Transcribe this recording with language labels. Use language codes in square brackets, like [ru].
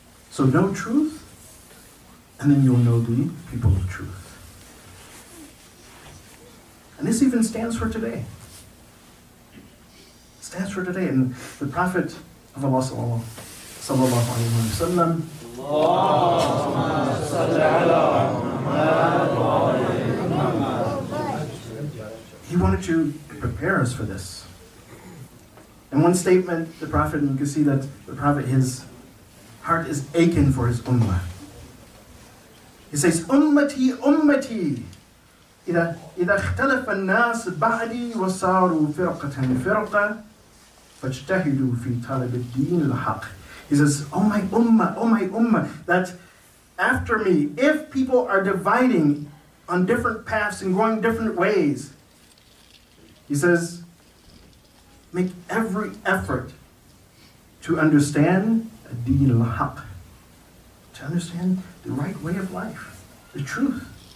[en] So know truth, and then you'll know the people of truth. And this even stands for today. It stands for today. And the Prophet of Allah sallallahu alayhi wa sallam, [ar] اللهم صل على محمد وعلى محمد. [en] He wanted to prepare us for this. In one statement, the Prophet, and you can see that the Prophet, his heart is aching for his ummah. He says, [ar] "Ummati, ummati, إذا اختلف الناس بعدي وصاروا فرقة فرقة فاجتهدوا في طلب الدين الحق." [en] He says, oh my ummah, that after me, if people are dividing on different paths and going different ways, he says, make every effort to understand [ar] الدين الحق, [en] to understand the right way of life, the truth.